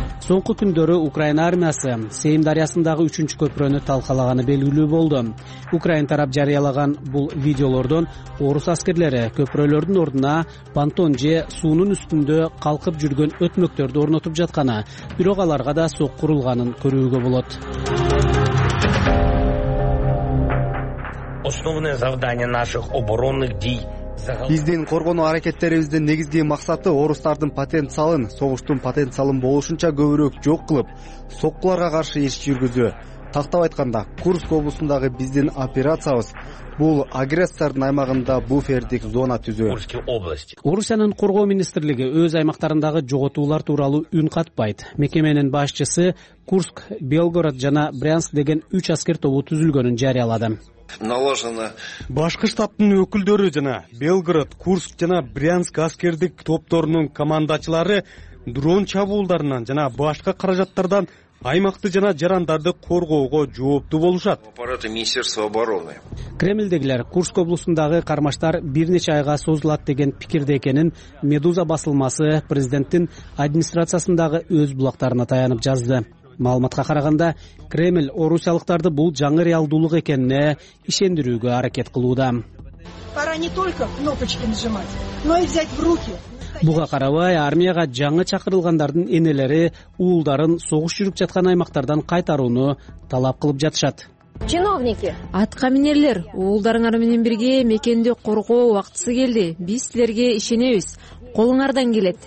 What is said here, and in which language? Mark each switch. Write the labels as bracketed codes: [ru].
[ky] Соңку күндөрү Украин армиясы Сейм дарыясындагы 3-чү көпүрөнү талкалаганы белгилүү болду. Украин тарап жарыялаган бул видеолордон орус аскерлери көпүрөлөрдүн ордуна понтон же суунун үстүндө калкып жүргөн өтмөктөрдү орнотуп жатканы, бирок аларга да сокку урулганын көрүүгө болот. [ru] Основное задание наших оборонных действий. [ky] Биздин коргоно аракеттерибиздин негизги максаты орустардын потенциалын, согуштун потенциалын болушунча көбүрөөк жок кылып, соккуларга каршы иш жүргүзүү. Тактап айтканда, Курск облусундагы биздин операциябыз бул агрессордун аймагында буфердик зона түзүү. Орусиянын коргоо министрлиги өз аймактарындагы жоготуулар тууралуу үн катпайт. Мекеменин башчысы Курск, Белгород жана Брянск деген 3 аскер тобу түзүлгөнүн жарыялады. [ru] Налажена. [ky] Башкы штабтын өкүлдөрү жана Белгород, Курск жана Брянск аскердик топторунун командачылары дрон чабуулдарынан жана башка каражаттардан аймакты жана жарандарды коргоого жооптуу болушат. [ru] Аппараты Министерства обороны. [ky] Кремльдегилер Курск облусундагы кармаштар бир нече айга созулат деген пикирде экенин Медуза басылмасы президенттин администрациясындагы өз булактарына таянып жазды. Маалыматка караганда, Кремль орусиялыктарды бул жаңы реалдуулук экенине ишендирүүгө аракет кылууда. [ru] Пора не только кнопочки нажимать, но и взять в руки. [ky] Буга карабай, армияга жаңы чакырылгандардын энелери уулдарын согуш жүрүп жаткан аймактардан кайтарууну талап кылып жатышат. [ru] Чиновники, [ky] аткаминерлер, уулдарыңар менен бирге мекенди коргоо убактысы келди. Биз силерге ишенебиз. Колуңардан келет.